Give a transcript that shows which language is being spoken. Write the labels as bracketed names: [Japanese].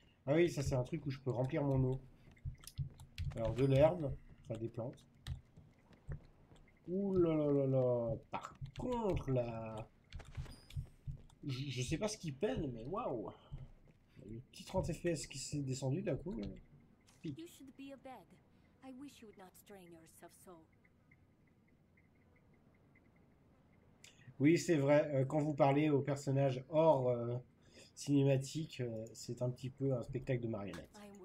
[French] Ah oui, ça c'est un truc où je peux remplir mon eau. Alors de l'herbe, enfin des plantes. Ouh là là là là. Par contre là... Je sais pas ce qui peine, mais waouh. Le petit 30 FPS qui s'est descendu d'un coup. [English] You should be a bed. I wish you would not strain yourself so. [French] Oui, c'est vrai, quand vous parlez au personnage hors... cinématique, c'est un petit peu un spectacle de marionnettes.